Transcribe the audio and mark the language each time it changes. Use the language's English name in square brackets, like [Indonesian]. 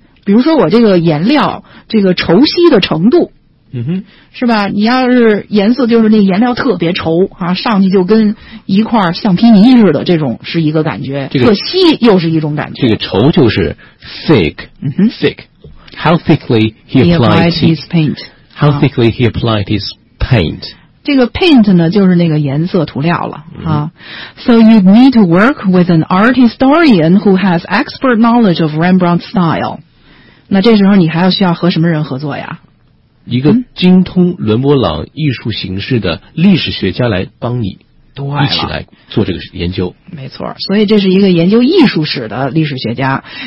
[Chinese] 比如说我这个颜料这个稠稀的程度。嗯哼，是吧？你要是颜色就是那颜料特别稠啊，上去就跟一块橡皮泥似的，这种是一个感觉。这个、特稀又是一种感觉。这个稠就是 thick，嗯哼 [English] ，thick。 How thickly he applied his paint. How thickly he applied his paint. [Chinese] 这个 paint 呢，就是那个颜色涂料了啊。 [English] So you need to work with an art historian who has expert knowledge of Rembrandt's style. [Chinese] 那这时候你还要需要和什么人合作呀？一个精通伦勃朗艺术形式的历史学家来帮你一起来做这个研究。没错，所以这是一个研究艺术史的历史学家。